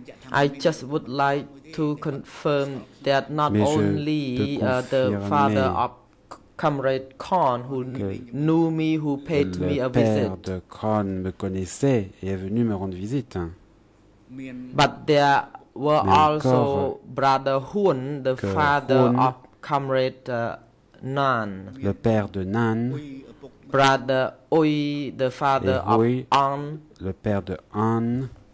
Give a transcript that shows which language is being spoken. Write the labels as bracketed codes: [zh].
[en] I just would like to confirm that not [fr] mais [en] only the father of Comrade Khan, who knew me, who paid me a visit. [fr] Le père de Khan me connaissait et est venu me rendre visite. [en] But there were also Brother Hun, the father Hun, of Comrade Nan. [fr] Le père de Nan. [en] Brother Oi, the father Hui, of An. [fr] Le père de An.